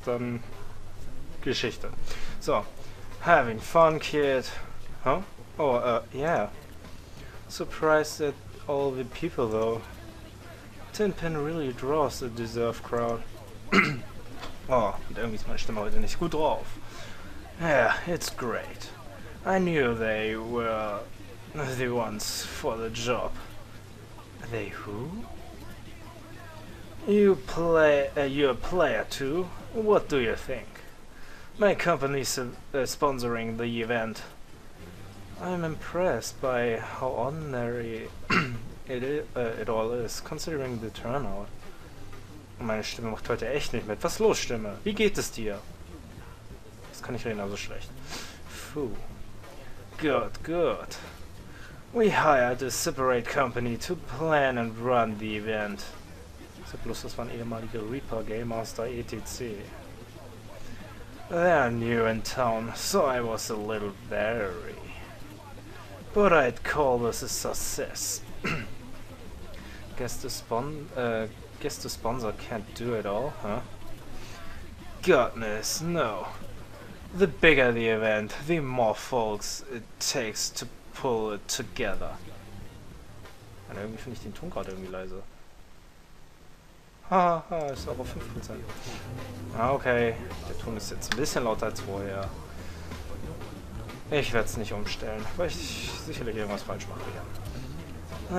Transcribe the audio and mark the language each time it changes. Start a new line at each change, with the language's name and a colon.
German: Dann Geschichte.
English: So, having fun, kid. Huh? Oh, yeah. Surprised at all the people, though. Tin Pin really draws a deserved crowd.
German: Oh, und irgendwie ist meine Stimme heute nicht gut drauf.
English: Yeah, it's great. I knew they were the ones for the job. They who? You play, you're a player, too. What do you think? My company sponsoring the event. I'm impressed by how ordinary it all is, considering the turnout.
German: Meine Stimme macht heute echt nicht mit. Was los, Stimme? Wie geht es dir? Das kann ich reden, also schlecht.
English: Phew. Good, good. We hired a separate company to plan and run the event.
German: So bloß, das waren ehemalige Reaper Game Master etc.
English: They are new in town, so I was a little wary. But I'd call this a success. guess the sponsor can't do it all, huh? Goodness, no. The bigger the event, the more folks it takes to pull it together.
German: Und irgendwie finde ich den Ton gerade irgendwie leise. Haha, ist aber 5%. Ah, okay. Der Ton ist jetzt ein bisschen lauter als vorher. Ich werde es nicht umstellen, weil ich sicherlich irgendwas falsch mache hier.